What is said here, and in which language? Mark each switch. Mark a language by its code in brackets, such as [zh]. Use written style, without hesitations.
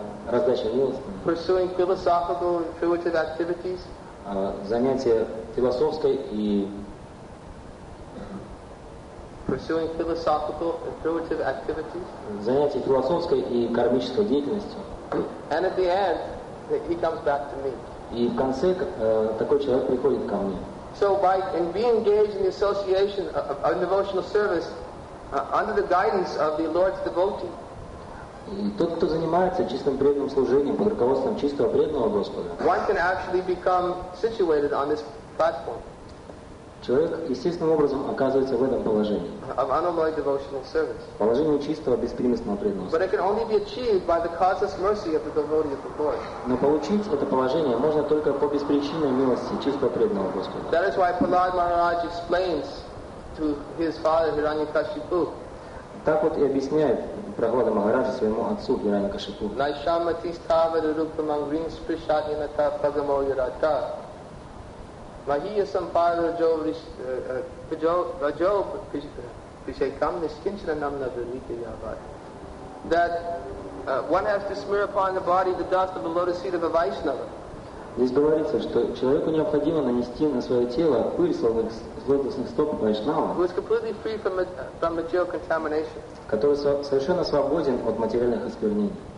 [ru] раздача милостыни, [en] pursuing philosophical and intuitive activities, [ru] занятия философской и [en] pursuing philosophical and intuitive activities, [ru] занятия философской и кармической деятельностью, [en] and at the end he comes back to me. [ru] И в конце такой человек приходит ко мне. [en] So by and being engaged in the association of devotional service under the guidance of the Lord's devotee. [ru] И тот, кто занимается чистым преданным служением под руководством чистого преданного Господа. [en] One can actually become situated on this platform. [ru] Человек естественным образом оказывается в этом положении. [en] Of unalloyed devotional service. [ru] Положение чистого беспримесного преданного служения. [en] But it can only be achieved by the causeless mercy of the devotee of the Lord. [ru] Но получить это положение можно только по беспричинной милости чистого преданного Господа. [en] That is why Prahlad Maharaj explains to his father Hiranyakashipu. [ru] Так вот и объясняет Прохлада Махараджа своему отцу Хираньякашипу. [sa] Найшама тистава рупа мангрин спришатина та пагамо юрата. Махия сампара раджо пишайкам нискинчана намна вилита яват. [en] That one has to smear upon the body the dust of the lotus feet of a Vaishnava. [ru] Здесь говорится, что человеку необходимо нанести на свое тело пыль лотосных стоп Вайшнава, который совершенно свободен от материальных осквернений.